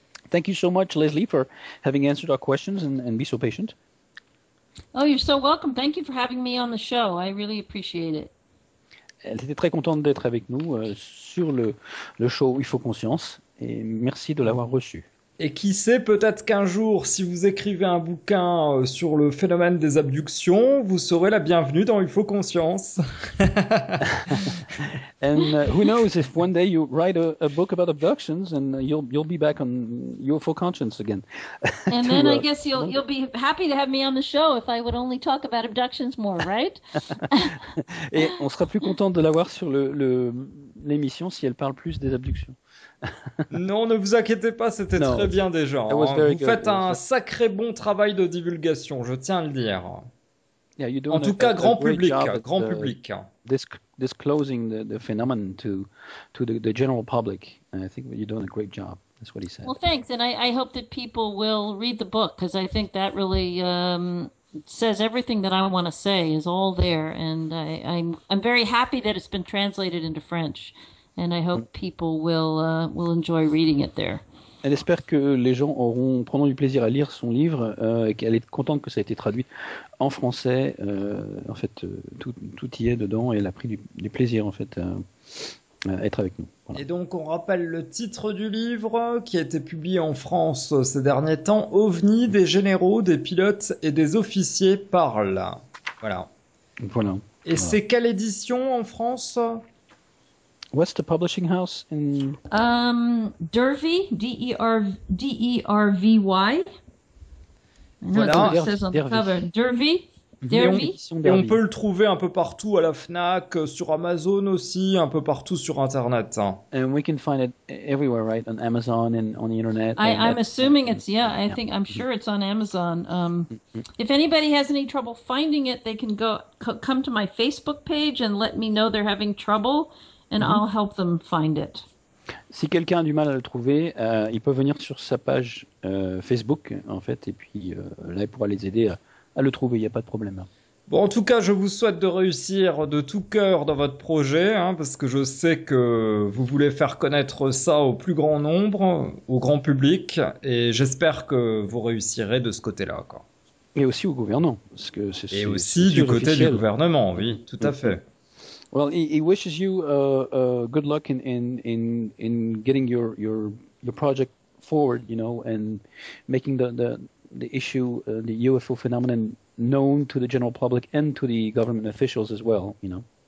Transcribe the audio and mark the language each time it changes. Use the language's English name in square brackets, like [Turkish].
[English] Thank you so much, Leslie, for having answered our questions and be so patient. Oh, you're so welcome. Thank you for having me on the show. I really appreciate it. [French] Elle était très contente d'être avec nous sur le show Il faut conscience, et merci de l'avoir reçue. Et qui sait, peut-être qu'un jour, si vous écrivez un bouquin sur le phénomène des abductions, vous serez la bienvenue dans Il faut conscience. [English] And who knows if one day you write a book about abductions and you'll be back on UFO conscience again. And then I guess you'll be happy to have me on the show if I would only talk about abductions more, right? [French] Et on sera plus content de l'avoir sur l'émission si elle parle plus des abductions. Non, ne vous inquiétez pas, c'était très bien déjà. Hein. Vous faites un sacré bon travail de divulgation, je tiens à le dire. [English] Yeah, you're doing [French] en tout cas, grand public, grand public. [English] Disclosing the phenomenon to the general public. And I think you're doing a great job. That's what he said. Well, thanks, and I hope that people will read the book because I think that really says everything that I want to say is all there, and I'm very happy that it's been translated into French. And I hope people will enjoy reading it there. [French] Elle espère que les gens prendront du plaisir à lire son livre et qu'elle est contente que ça ait été traduit en français. En fait, tout y est dedans et elle a pris du plaisir en fait à être avec nous. Voilà. Et donc, on rappelle le titre du livre qui a été publié en France ces derniers temps, OVNI, des généraux, des pilotes et des officiers parlent. Voilà. Voilà. Et voilà. C'est quelle édition en France? [English] What's the publishing house in Dervy, Dervy. [French] Voilà, [English] it says on the cover. Dervy. Dervy. [French] Et on peut le trouver un peu partout à la Fnac, sur Amazon aussi, un peu partout sur Internet. [English] And we can find it everywhere, right? On Amazon and on the Internet. I'm assuming it's, I'm sure it's on Amazon. If anybody has any trouble finding it, they can go come to my Facebook page and let me know they're having trouble. And I'll help them find it. [French] Si quelqu'un a du mal à le trouver, il peut venir sur sa page Facebook, en fait, et puis là, il pourra les aider à le trouver, il n'y a pas de problème. Bon, en tout cas, je vous souhaite de réussir de tout cœur dans votre projet, hein, parce que je sais que vous voulez faire connaître ça au plus grand nombre, au grand public, et j'espère que vous réussirez de ce côté-là, quoi. Et aussi au gouvernement, parce que c'est Et aussi du côté officiel. Du gouvernement, oui, tout à fait. [English] Well, he wishes you good luck in getting your project forward, you know, and making the issue the UFO phenomenon known to the general public and to the government officials as well, you know.